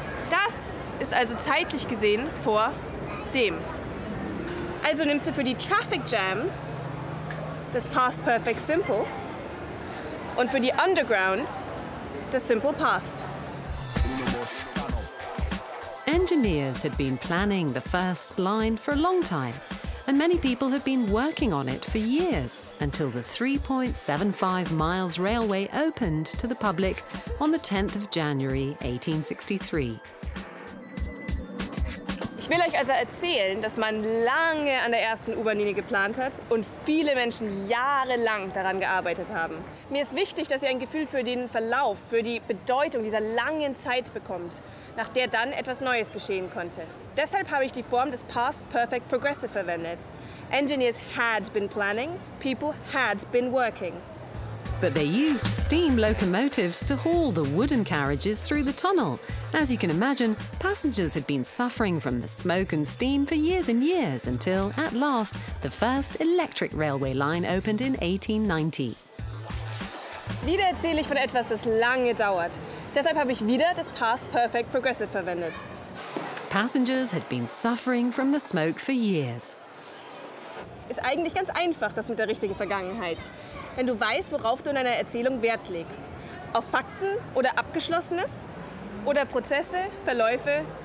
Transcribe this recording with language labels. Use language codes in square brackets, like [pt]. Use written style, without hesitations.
[de] Das ist also zeitlich gesehen vor dem. Also nimmst du für die Traffic Jams das Past Perfect Simple und für die Underground das Simple Past. [en] Engineers had been planning the first line for a long time. And many people have been working on it for years until the 3.75 miles railway opened to the public on the 10th of January 1863. [de] Ich will euch also erzählen, dass man lange an der ersten U-Bahn-Linie geplant hat und viele Menschen jahrelang daran gearbeitet haben. Mir ist wichtig, dass ihr ein Gefühl für den Verlauf, für die Bedeutung dieser langen Zeit bekommt, nach der dann etwas Neues geschehen konnte. Deshalb habe ich die Form des Past Perfect Progressive verwendet. [en] Engineers had been planning, people had been working. But they used steam locomotives to haul the wooden carriages through the tunnel. As you can imagine, passengers had been suffering from the smoke and steam for years and years until, at last, the first electric railway line opened in 1890. [de] Wieder erzähle ich von etwas, das lange dauert. Deshalb habe ich wieder das Past Perfect Progressive verwendet. [en] Passengers had been suffering from the smoke for years. [de] Ist eigentlich ganz einfach, das mit der richtigen Vergangenheit. Wenn du weißt, worauf du in einer Erzählung Wert legst. Auf Fakten oder Abgeschlossenes oder Prozesse, Verläufe